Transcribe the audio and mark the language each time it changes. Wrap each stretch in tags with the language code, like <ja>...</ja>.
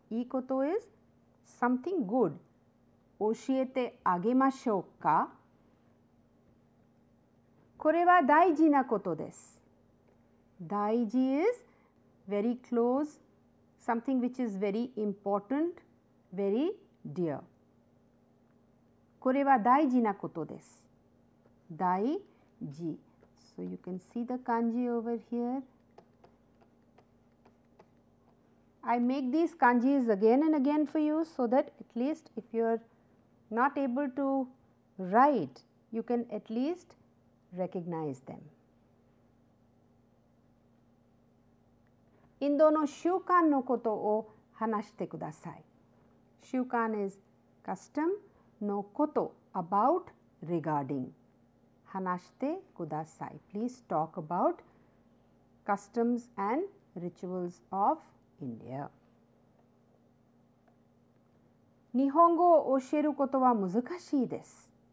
<ja>Ii koto</ja> <en>is something good.</en> <ja>Oshiete agemashou ka? Kore wa daiji na koto desu.</ja> <en>Daiji is very close, something which is very important, very dear.</en> <ja>これは大事なことです。大事。</ja> <en>So you can see the kanji over here. I make these kanjis again and again for you so that at least if you are not able to write, you can at least recognize them.</en> <ja>インドの習慣のことを話してください。</ja> <en>習慣 is custom</en> <ja>のこと</ja> <en>about regarding.</en> <ja>話してください。</ja> <en>Please talk about customs and rituals of India.</en> <ja>日本語を教えることは難しいです。</ja>